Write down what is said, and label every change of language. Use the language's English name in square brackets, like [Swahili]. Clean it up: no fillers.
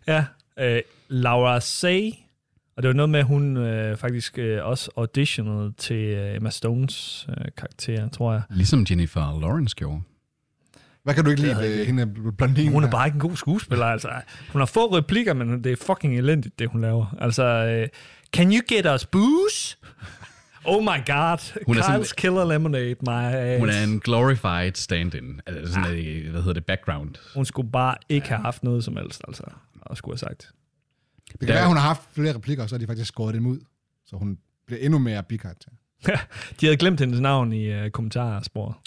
[Danish] Ja. Laura Say. Og det var noget med, at hun faktisk også auditionede til Emma Stones karakter, tror jeg. Ligesom Jennifer Lawrence gjorde. Hvad kan du ikke lide ved hende blondine? Hun er bare ikke en god skuespiller, altså. Hun har få replikker, men det er fucking elendigt, det hun laver. [English] Altså, can you get us booze? Oh my god, Kyle's killer lemonade, my ass. [Danish] Hun er en glorified stand-in, altså sådan hvad hedder det, background. Hun skulle bare ikke have haft noget som helst, altså, og skulle have sagt. Det kan være, hun har haft flere replikker, og så har de faktisk skåret dem ud, så hun bliver endnu mere bi-karakter. De havde glemt hendes navn i kommentarsporet.